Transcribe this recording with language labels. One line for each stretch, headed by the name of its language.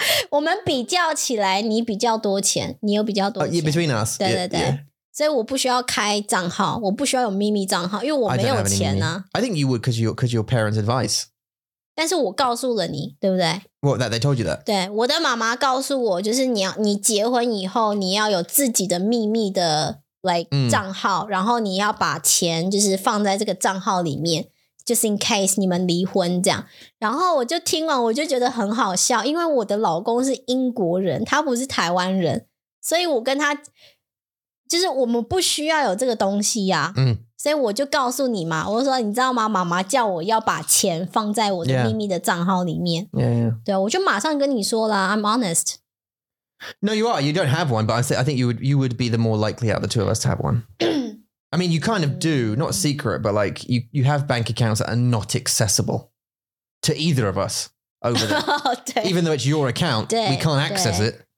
Chinese: 我们比较起来, 你比较多钱, 你有比较多钱。
English: Yeah, between us.
Chinese: 对对对。
English: Yeah.
Chinese: 所以我不需要开账号, 我不需要有秘密账号, 因为我没有钱啊。
English: I think you would because your parents' advice.
Chinese: 但是我告诉了你, 对不对?
English: Well, that they told you that.
Chinese: 对, 我的妈妈告诉我, 就是你要, 你结婚以后, 你要有自己的秘密的, like, 账号, 然后你要把钱, 就是放在这个账号里面,
English: just in case
Chinese: 你们离婚这样。然后我就听完, 我就觉得很好笑, 因为我的老公是英国人, 他不是台湾人, 所以我跟他, 就是我们不需要有这个东西啊，所以我就告诉你嘛，我说你知道吗？妈妈叫我要把钱放在我的秘密的账号里面。对，我就马上跟你说啦。
English: I'm honest. No, you are. You don't have one, but I think you would be the more likely out of the two of us to have one. I mean, you kind of do, not secret, but like you have bank accounts that are not accessible to either of us over there. Even though it's your account, we can't access it.